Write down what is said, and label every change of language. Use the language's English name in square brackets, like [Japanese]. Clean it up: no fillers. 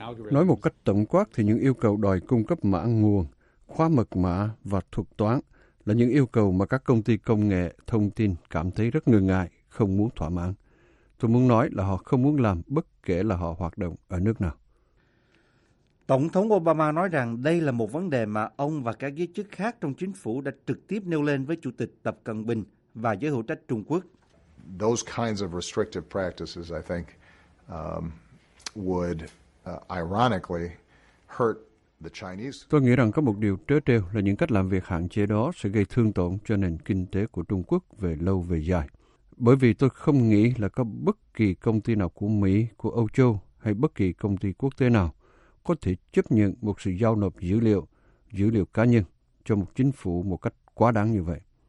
[Vietnamese] Nói một cách tổng quát thì những yêu cầu đòi cung cấp mã nguồn, khóa mật mã và thuật toán là những yêu cầu mà các công ty công nghệ, thông tin cảm thấy rất ngần ngại, không muốn thỏa mãn. Tôi muốn nói là họ không muốn làm bất kể là họ hoạt động ở nước nào. Tổng thống Obama nói rằng đây là một vấn đề mà ông và các giới chức khác trong chính phủ đã trực tiếp nêu lên với Chủ tịch Tập Cận Bình và giới hữu trách Trung Quốc. [English] Those kinds of restrictive practices, I think, would ironically hurt. [Vietnamese] Tôi nghĩ rằng có một điều trớ trêu là những cách làm việc hạn chế đó sẽ gây thương tổn cho nền kinh tế của Trung Quốc về lâu về dài. Bởi vì tôi không nghĩ là có bất kỳ công ty nào của Mỹ, của Âu Châu hay bất kỳ công ty quốc tế nào có thể chấp nhận một sự giao nộp dữ liệu cá nhân cho một chính phủ một cách quá đáng như vậy.